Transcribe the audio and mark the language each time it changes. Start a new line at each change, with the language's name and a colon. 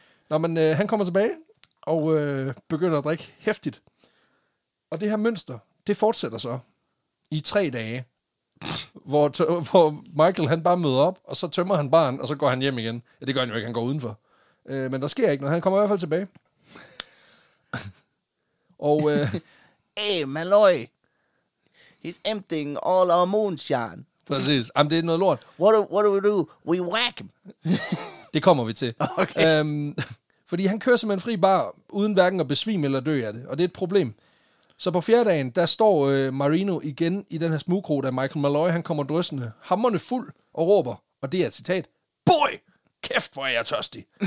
Danish: Når man han kommer tilbage og begynder at drikke heftigt. Og det her mønster, det fortsætter så i 3 dage, hvor Michael han bare møder op, og så tømmer han baren, og så går han hjem igen. Ja, det gør han jo ikke, han går udenfor. Men der sker ikke noget, han kommer i hvert fald tilbage. Og
English: hey, Malloy, he's emptying all our moonshine.
Danish: Præcis, jamen det er noget lort.
English: What do we do? We whack him.
Danish: Det kommer vi til. Okay. Fordi han kører simpelthen fri bar, uden hverken at besvime eller dø af det, og det er et problem. Så på fjerdagen, der står Marino igen i den her smugkro, da Michael Malloy, han kommer drøssende, hammerne fuld og råber, og det er et citat, boy, kæft hvor er jeg tørstig.